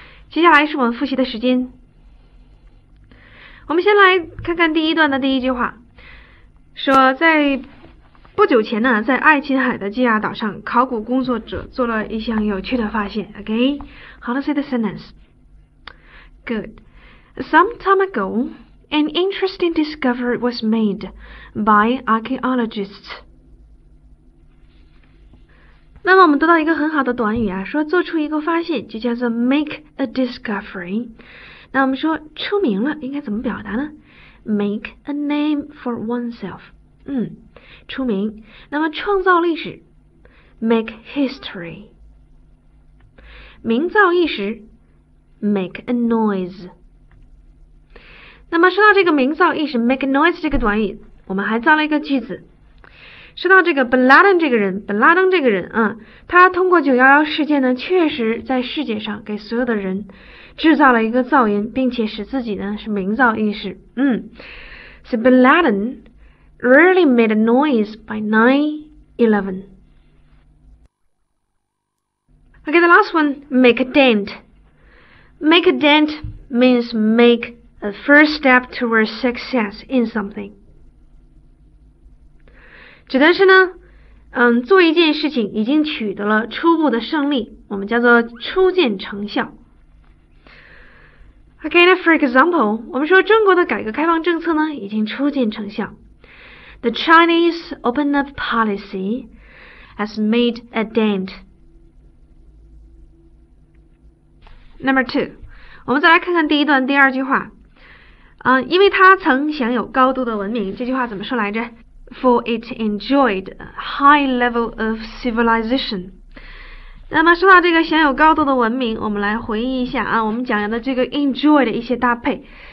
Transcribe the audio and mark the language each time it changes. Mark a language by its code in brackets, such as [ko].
[zh] 接下来是我们复习的时间。我们先来看看第一段的第一句话，说在不久前呢，在爱琴海的基亚岛上，考古工作者做了一项有趣的发现。 [en] Okay, how to say the sentence? Good. Some time ago, an interesting discovery was made by archaeologists. [zh] 那么我们得到一个很好的短语啊，说做出一个发现就叫做 [en] make a discovery。 [zh] 那我们说出名了应该怎么表达呢 ？ [en] Make a name for oneself。 [zh] 出名，那么创造历史 ， [en] make history， [zh] 名噪一时 ， [en] make a noise。 [zh] 那么说到这个名噪一时 ， [en] make a noise [zh] 这个短语，我们还造了一个句子。说到这个 Bin Laden 这个人 ，Bin Laden 这个人啊，他通过911事件呢，确实在世界上给所有的人制造了一个噪音，并且使自己呢是名噪一时。 [en] So Bin Laden。 Really made a noise by 9/11. Okay, the last one, make a dent. Make a dent means make a first step towards success in something. [zh] 指的是呢，做一件事情已经取得了初步的胜利，我们叫做初见成效。 [en] Okay, now for example, [zh] 我们说中国的改革开放政策呢，已经初见成效。 [en] The Chinese open up policy has made a dent. Number two, [zh] 我们再来看看第一段第二句话。因为它曾享有高度的文明，这句话怎么说来着 ？ [en] For it enjoyed a high level of civilization. [zh] 那么说到这个享有高度的文明，我们来回忆一下啊，我们讲的这个 enjoy 的一些搭配。